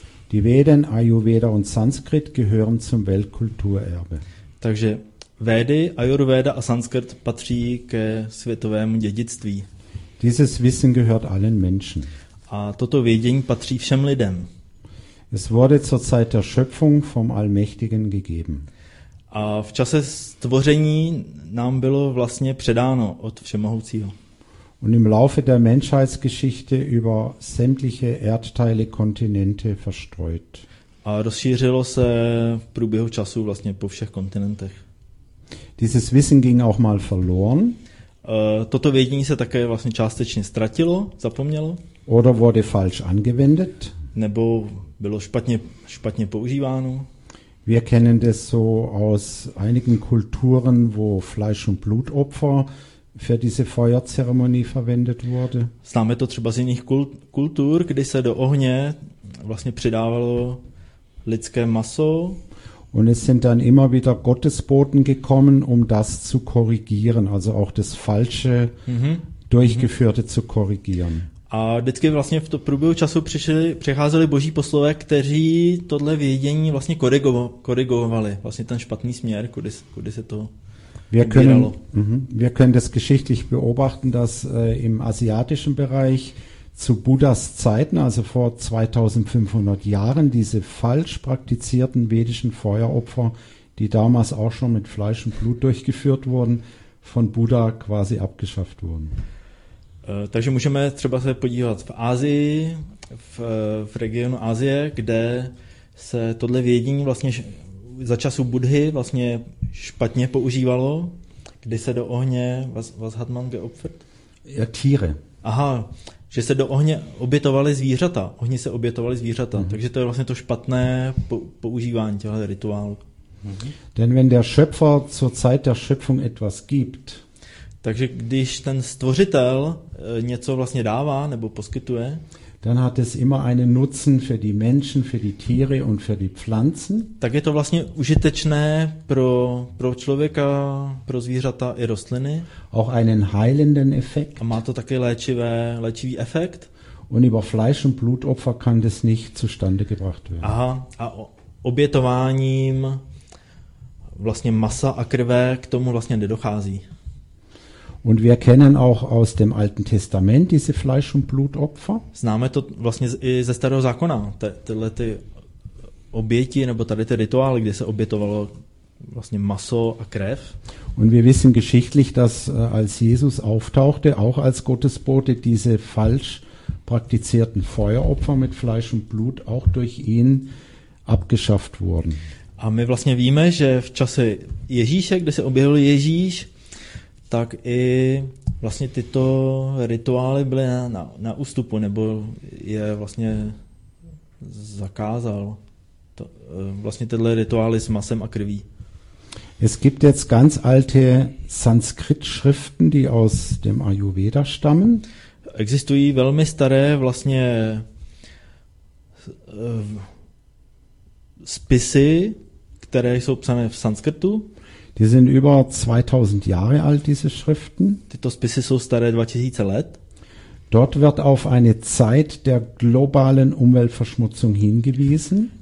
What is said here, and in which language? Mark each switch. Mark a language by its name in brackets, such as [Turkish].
[German] Die Veden, Ayurveda und Sanskrit gehören zum Weltkulturerbe. [Czech] Takže Vedy, Ayurveda a Sanskrit patří ke světovému dědictví. [German] Dieses Wissen gehört allen Menschen. [Czech] A toto vědění patří všem lidem. [German] Es wurde zur Zeit der Schöpfung vom Allmächtigen gegeben. [Czech] A v čase stvoření nám bylo vlastně předáno od Všemohoucího. [German] Und im Laufe der Menschheitsgeschichte über sämtliche Erdteile, Kontinente verstreut. [Czech] A rozšířilo se v průběhu času vlastně po všech kontinentech. [German] Dieses Wissen ging auch mal verloren. [Czech] Toto vědění se také vlastně částečně ztratilo, zapomnělo. [German] Oder wurde falsch angewendet. [Czech] Nebo bylo špatně používáno. [German] Wir kennen das so aus einigen Kulturen, wo Fleisch- und Blutopfer für diese Feuerzeremonie verwendet wurde. [Czech] Známe to třeba z jiných kultur, kdy se do ohně vlastně přidávalo lidské maso. [German] Und es sind dann immer wieder Gottesboten gekommen, um das zu korrigieren, also auch das falsche durchgeführte zu korrigieren. [Czech] A vždycky vlastně v průběhu času přicházeli boží poslové, kteří tohle vědění vlastně korigovali, vlastně ten špatný směr, kudy se to [German] Wir können das geschichtlich beobachten, dass im asiatischen Bereich zu Buddhas Zeiten, also vor 2500 Jahren, diese falsch praktizierten vedischen Feueropfer, die damals auch schon mit Fleisch und Blut durchgeführt wurden, von Buddha quasi abgeschafft wurden. [Czech] Takže můžeme třeba se podívat v Asii, v regionu Asie, kde se tohle vědění vlastně za času Buddhy vlastně špatně používalo, kdy se do ohně, [German] was hat man geopfert? Ja, Tiere. [Czech] Aha, že se do ohně obětovaly zvířata. Ohni se obětovaly zvířata. Mhm. Takže to je vlastně to špatné používání těchto rituálů. [German] Denn wenn der Schöpfer zur Zeit der Schöpfung etwas gibt. [Czech] Takže když ten stvořitel něco vlastně dává nebo poskytuje, [German] dann hat es immer einen Nutzen für die Menschen, für die Tiere und für die Pflanzen. [Czech] Tak je to vlastně užitečné pro člověka, pro zvířata i rostliny. [German] Auch einen heilenden Effekt. [Czech] A má to taky léčivý efekt. [German] Und über Fleisch- und Blutopfer kann das nicht zustande gebracht werden. [Czech] Aha, a obětováním vlastně masa a krve k tomu vlastně nedochází. [German] Und wir kennen auch aus dem Alten Testament diese Fleisch- und Blutopfer. [Czech] Známe to vlastně i ze Starého zákona, tyhle ty oběti nebo tady ty rituály, kde se obětovalo vlastně maso a krev. [German] Und wir wissen geschichtlich, dass als Jesus auftauchte, auch als Gottesbote, diese falsch praktizierten Feueropfer mit Fleisch und Blut auch durch ihn abgeschafft wurden. [Czech] A my vlastně víme, že v čase Ježíše, kde se objevil Ježíš, tak i vlastně tyto rituály byly na ústupu, nebo je vlastně zakázal to, vlastně tyhle rituály s masem a krví. [German] Es gibt jetzt ganz alte Sanskrit-Schriften, die aus dem Ayurveda stammen. [Czech] Existují velmi staré vlastně spisy, které jsou psané v sanskritu. [German] Die sind über 2000 Jahre alt, diese Schriften. [Czech] Tyto spisy jsou staré 2000 let. [German] Dort wird auf eine Zeit der globalen Umweltverschmutzung hingewiesen.